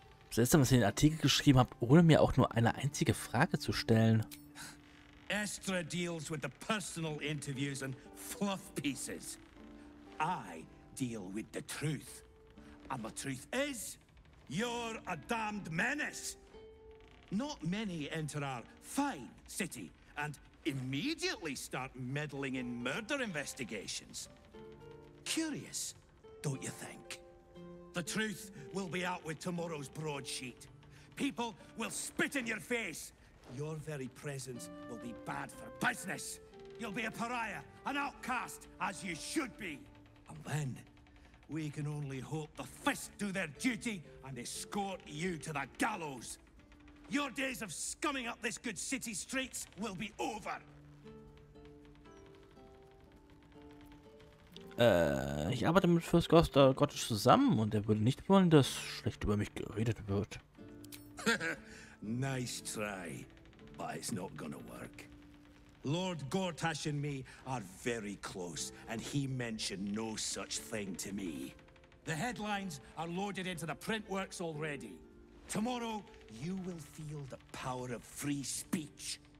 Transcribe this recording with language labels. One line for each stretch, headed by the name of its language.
German: Seltsam, dass ihr den Artikel geschrieben habt, ohne mir auch nur eine einzige Frage zu stellen.
English: Estra deals with the personal interviews and fluff pieces. I deal with the truth. And the truth is, you're a damned menace. Not many enter our fine city and immediately start meddling in murder investigations. Curious, don't you think? The truth will be out with tomorrow's broadsheet. People will spit in your face. Your very presence will be bad for business. You'll be a pariah, an outcast, as you should be. And then, we can only hope the fist do their duty and escort you to the gallows. Your days of scumming up this good city streets will be over.
German: Ich arbeite mit Fürst Goster Gottes zusammen und er würde nicht wollen, dass schlecht über mich geredet wird.
English: Nice try, but it's not gonna work. Lord Gortash and me are very close, and he mentioned no such thing to me. The headlines are loaded into the print works already. Tomorrow, you will feel the power of free speech.